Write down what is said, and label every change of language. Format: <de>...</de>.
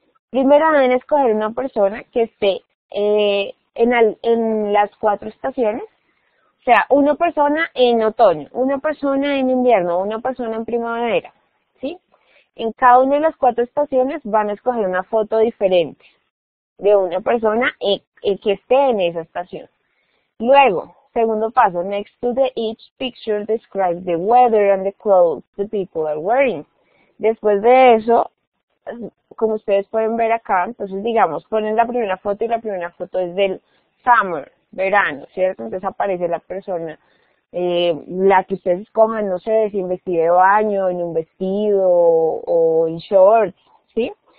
<es>Primero deben escoger una persona que esté en las cuatro estaciones. O sea, una persona en otoño, una persona en invierno, una persona en primavera. ¿Sí? En cada una de las cuatro estaciones van a escoger una foto diferente de una persona que esté en esa estación. Luego, segundo paso,</es> <en>next to the each picture describe the weather and the clothes the people are wearing.</en> <es>Después de eso, como ustedes pueden ver acá, entonces digamos, ponen la primera foto y la primera foto es del summer, verano, ¿cierto? Entonces aparece la persona, la que ustedes escojan, no sé, si en vestido de baño, en un vestido o en shorts, ¿sí?</es>